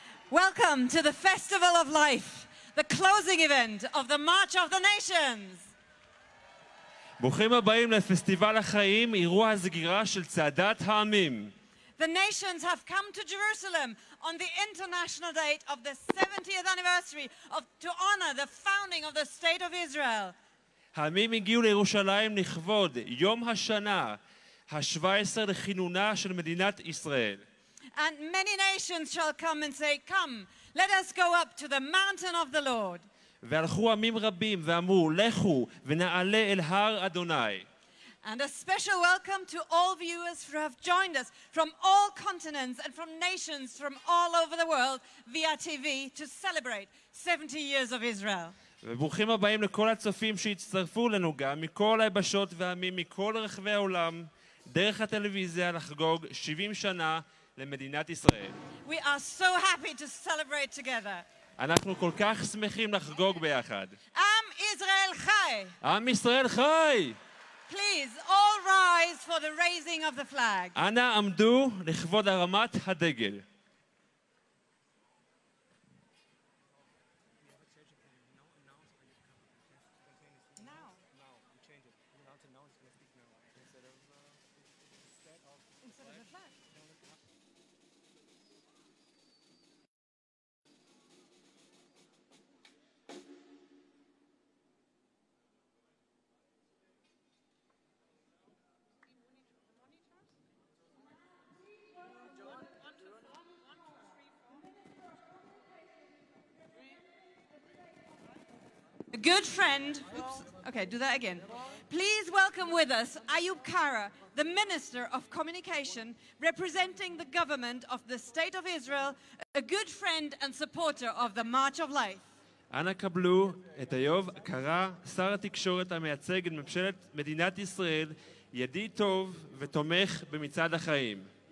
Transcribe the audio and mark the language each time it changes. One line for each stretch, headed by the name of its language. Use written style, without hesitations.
English: Welcome to the Festival of Life, the closing event of the March of the Nations.
Hebrew: ברוכים הבאים לפסטיבל החיים, אירוע הסגירה של צעדת העמים.
English: The nations have come to Jerusalem on the international date of the 70th anniversary of to honor the founding of the State of Israel.
Hebrew: העמים הגיעו לירושלים לכבוד יום השנה ה-17 לכינונה של מדינת ישראל.
English: And many nations shall come and say, "Come, let us go up to the mountain of the Lord."
Hebrew: והלכו עמים רבים ואמרו, "לכו ונעלה אל הר אדוני."
English: And a special welcome to all viewers who have joined us from all continents and from nations from all over the world via TV to celebrate 70 years of Israel.
Hebrew: וברוכים הבאים לכל הצופים שהצטרפו לנו גם מכל היבשות ועמים מכל רחבי העולם דרך הטלוויזיה לחגוג 70 שנה למדינת ישראל.
English: We are so happy to celebrate together.
Hebrew: אנחנו כל כך שמחים לחגוג ביחד. עם ישראל חי. עם ישראל חי.
English: Please all rise for the raising of the flag.
Hebrew: אנא עמדו לכבוד הרמת הדגל.
English: Good friend, oops, okay, do that again. Please welcome with us Ayub Kara, the Minister of Communication, representing the government of the State of Israel, a good friend and supporter of the March of Life.
Hebrew: אנא קבלו את איוב קרא, שר התקשורת המייצג את ממשלת מדינת ישראל, ידיד טוב ותומך במצעד החיים.